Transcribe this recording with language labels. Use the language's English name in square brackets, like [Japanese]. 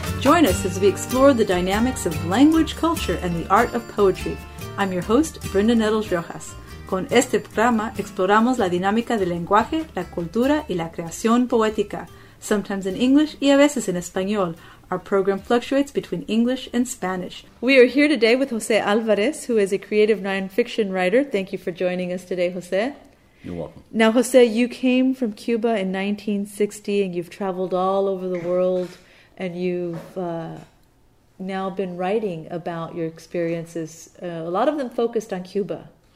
[English] Join us as we explore the dynamics of language, culture, and the art of poetry. I'm your host, Brenda Nettles Rojas. [Spanish] Con este programa, exploramos la dinámica del lenguaje, la cultura y la creación poética, [English] sometimes in English [Spanish] y a veces en español. [English] Our program fluctuates between English and Spanish. We are here today with Jose Alvarez, who is a creative nonfiction writer. Thank you for joining us today, Jose. You're welcome. Now, Jose, you came from Cuba in 1960, and you've traveled all over the world, and you've now been writing about your experiences, a lot of them focused on Cuba.